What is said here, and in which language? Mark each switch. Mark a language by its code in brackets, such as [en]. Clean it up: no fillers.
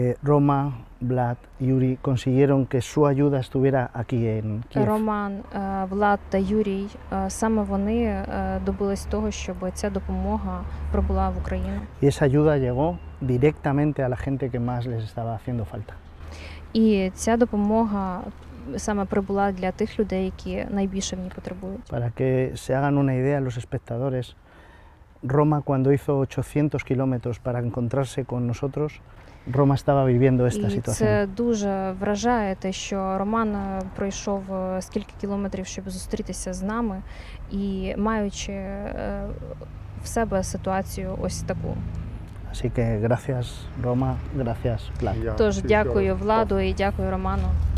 [es] Roma, Vlad, Yuri consiguieron que su ayuda estuviera aquí en Kiev. [uk] Роман, Влад та Юрій, саме вони добились того, щоб ця допомога прибула в Україну. [es] Y esa ayuda llegó directamente a la gente que más les estaba haciendo falta. [uk] І ця допомога саме прибула для тих людей, які найбільше мені потребують. [es] Para que se hagan una idea los espectadores, Roma cuando hizo 800 kilómetros para encontrarse con nosotros, Roma estaba viviendo esta situación. [uk] Це дуже вражає те, що Роман пройшов скільки кілометрів, щоб зустрітися з нами, і маючи в себе ситуацію ось таку. [es] Así que gracias Roma, gracias Vlad. [uk] Тож дякую Владу і дякую Роману.